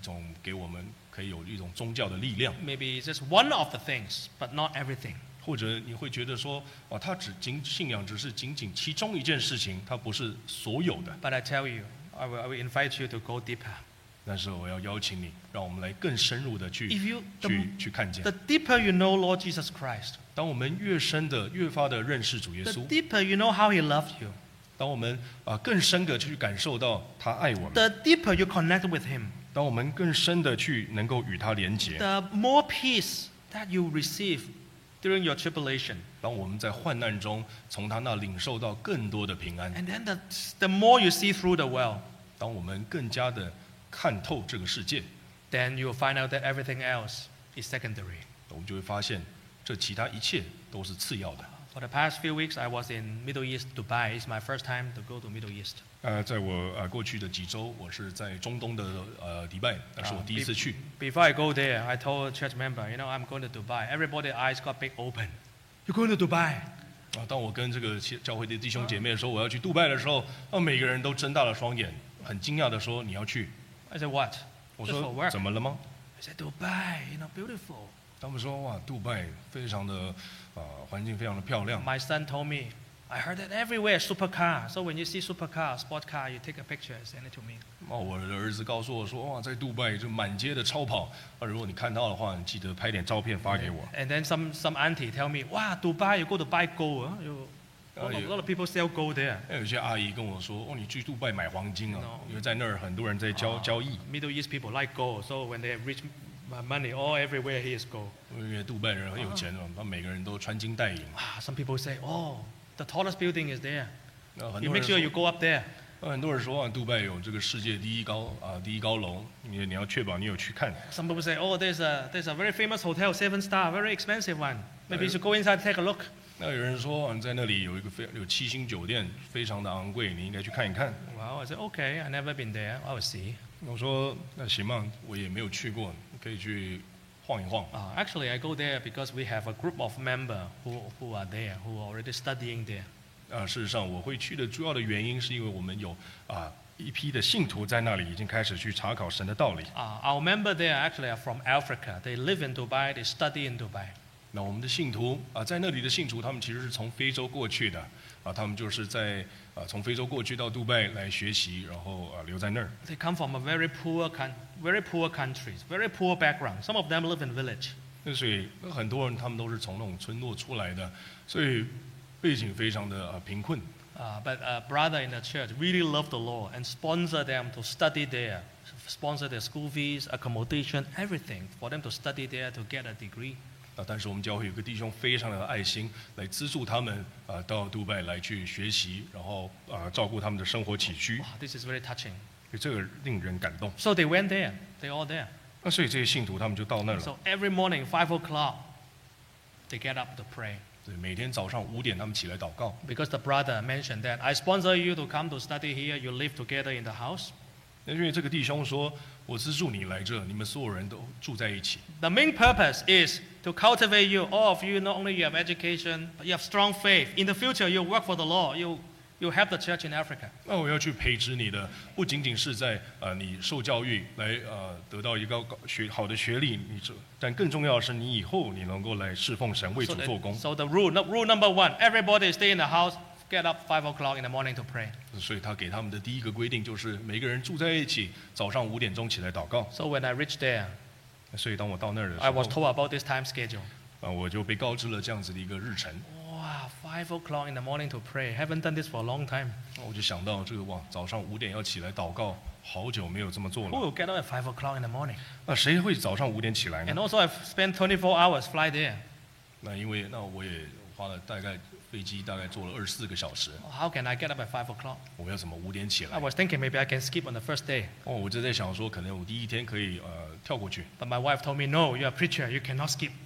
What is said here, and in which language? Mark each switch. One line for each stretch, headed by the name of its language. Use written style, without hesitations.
Chinese: 那或者我们刚来到教会，我们觉得仅仅觉得说信仰只是一种给我们可以有一种宗教的力量。
English: Maybe it's just one of the things, but not everything.
Chinese: 或者你会觉得说，他只信仰只是仅仅其中一件事情，它不是所有的。
English: But I tell you, I will invite you to go deeper.
Chinese: 但是我要邀请你，让我们来更深入的去看见。
English: The deeper you know Lord Jesus Christ.
Chinese: 当我们越深的越发的认识主耶稣。
English: The deeper you know how He loved you.
Chinese: 当我们更深的去感受到他爱我们。
English: The deeper you connect with Him.
Chinese: 当我们更深的去能够与他连接。
English: The more peace that you receive. During your tribulation,
Chinese: 当我们在患难中从他那领受到更多的平安,
English: and then the more you see through the well,
Chinese: 当我们更加的看透这个世界,
English: then you will find out that everything else is secondary.
Chinese: 我们就会发现，这其他一切都是次要的。
English: For the past few weeks, I was in Middle East, Dubai. It's my first time to go to Middle East.
Chinese: 在我过去的几周，我是在中东的迪拜，那是我第一次去。
English: Before I go there, I told church member, you know, I'm going to Dubai. Everybody's eyes got big open. You're going to Dubai?
Chinese: 当我跟这个教会的弟兄姐妹说我要去杜拜的时候，每个人都睁大了双眼，很惊讶的说你要去。
English: I said what?
Chinese: 我说怎么了吗
English: ？I said Dubai, you know, beautiful.
Chinese: 他们说哇，杜拜非常的。环境非常的漂亮。
English: My son told me, I heard that everywhere supercar. So when you see supercar, sport car, you take a picture and send it to me.
Chinese: 我的儿子告诉我说，哇，在杜拜就满街的超跑。如果你看到的话，你记得拍点照片发给我。
English: And then some auntie tell me, wow, Dubai, you go to buy gold. A lot of people sell gold there.
Chinese: 有些阿姨跟我说，哦，你去杜拜买黄金啊，因为在那儿很多人在交易。
English: Middle East people like gold, so when they reach my money, all everywhere he is gold.
Chinese: 因为杜拜人很有钱了，他每个人都穿金戴银。
English: Some people say, oh, the tallest building is there. You make sure you go up there.
Chinese: 很多人说，杜拜有这个世界第一高楼，你要确保你有去看。
English: Some people say, oh, there's a very famous hotel, 7-star, very expensive one. Maybe you should go inside, take a look.
Chinese: 那有人说，在那里有七星酒店，非常的昂贵，你应该去看一看。
English: Well, I said, okay, I've never been there, I will see.
Chinese: 我说，那行吧，我也没有去过。可以去晃一晃。
English: Actually, I go there because we have a group of members who are there, who are already studying there.
Chinese: 事实上，我会去的主要的原因是因为我们有一批的信徒在那里已经开始去查考神的道理。
English: Our members there actually are from Africa. They live in Dubai. They study in Dubai.
Chinese: 那我们的信徒在那里的信徒，他们其实是从非洲过去的。他们就是在从非洲过去到杜拜来学习，然后留在那儿。
English: They come from a very poor countries, very poor background. Some of them live in village.
Chinese: 所以很多人他们都是从那种村落出来的，所以背景非常的贫困。
English: But a brother in the church really loved the Lord and sponsored them to study there, sponsor their school fees, accommodation, everything for them to study there to get a degree.
Chinese: 但是我们教会有个弟兄非常的爱心，来资助他们到杜拜来去学习，然后照顾他们的生活起居。
English: This is very touching.
Chinese: 这个令人感动。
English: So they went there. They all there.
Chinese: 所以这些信徒他们就到那了。
English: So every morning 5 o'clock, they get up to pray.
Chinese: 对，每天早上五点他们起来祷告。
English: Because the brother mentioned that I sponsor you to come to study here. You live together in the house.
Chinese: 因为这个弟兄说。我资助你来这，你们所有人都住在一起。
English: The main purpose is to cultivate you, all of you. Not only you have education, but you have strong faith. In the future, you work for the Lord. You help the church in Africa.
Chinese: 那我要去培植你的，不仅仅是在你受教育来得到一个好的学历，但更重要的是你以后你能够来侍奉神，为主做工。
English: So the rule number one, everybody stay in the house. Get up 5 o'clock in the morning to pray.
Chinese: 所以他给他们的第一个规定就是每个人住在一起，早上五点钟起来祷告。
English: So when I reached there,
Chinese: 所以当我到那儿的时候
English: ，I was told about this time schedule.
Chinese: 我就被告知了这样子的一个日程。
English: 哇 ，5 o'clock in the morning to pray. Haven't done this for a long time.
Chinese: 我就想到这个哇，早上五点要起来祷告，好久没有这么做了。
English: Who will get up at 5 o'clock in the morning?
Chinese: 谁会早上五点起来呢
English: ？And also, I've spent 24 hours fly there.
Chinese: 那我也花了大概。飞机大概坐了24个小时。
English: How can I get up at 5 o'clock?
Chinese: 我要怎么五点起来
English: ？I was thinking maybe I can skip on the first day.
Chinese: 我就在想说，可能我第一天可以跳过去。
English: But my wife told me no, you're a preacher, you cannot skip.